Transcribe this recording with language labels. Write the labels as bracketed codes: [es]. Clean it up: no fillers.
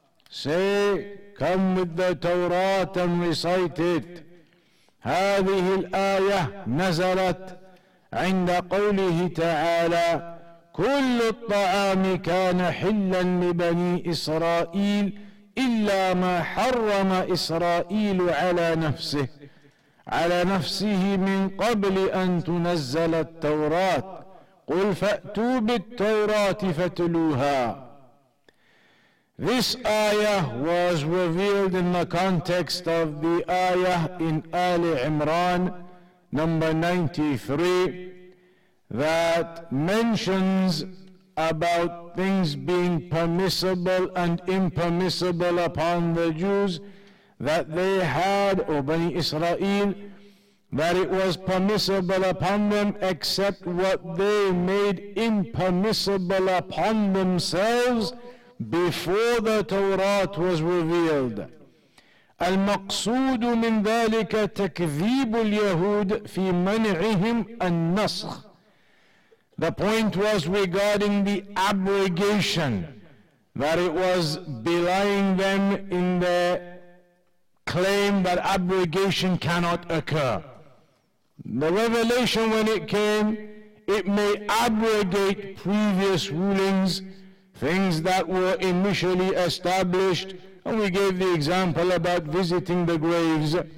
[en] Say, come with the Torah and recite it. [ar] هذه الآية نزلت عند قوله تعالى كل الطعام كان حلا لبني إسرائيل إلا ما حرم إسرائيل على نفسه من قبل أن تنزل التوراة قل فأتوا بالتوراة فتلوها. [en] This ayah was revealed in the context of the ayah in Ali Imran number 93 that mentions about things being permissible and impermissible upon the Jews that they had, or Bani Israel, that it was permissible upon them except what they made impermissible upon themselves before the Torah was revealed. [ar] المقصود من ذلك تكذيب اليهود في منعهم النسخ. [en] The point was regarding the abrogation, that it was belying them in their claim that abrogation cannot occur. The revelation, when it came, it may abrogate previous rulings, things that were initially established, and we gave the example about visiting the graves.